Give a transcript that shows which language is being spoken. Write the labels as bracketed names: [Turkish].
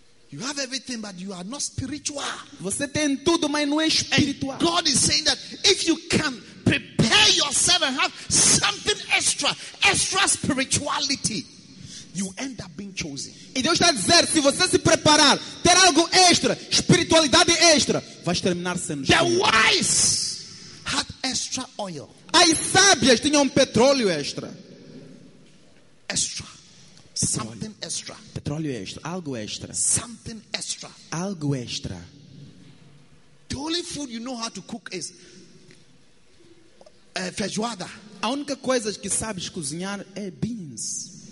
[English] You have everything, but you are not spiritual. [Portuguese] Você tem tudo, mas não é espiritual. [English] And God is saying that if you can prepare yourself and have something extra, extra spirituality, you end up being chosen. [Portuguese] E Deus está a dizer, se você se preparar, ter algo extra, espiritualidade extra, vais terminar sendo [English] chosen. The wise had extra oil. [Portuguese] As sábias tinham petróleo extra. [English] Extra. Something extra. [Portuguese] Petróleo extra. Algo extra. [English] Something extra. [Portuguese] Algo extra. [English] The only food you know how to cook is feijoada. [Portuguese] A única coisa que sabes cozinhar é beans.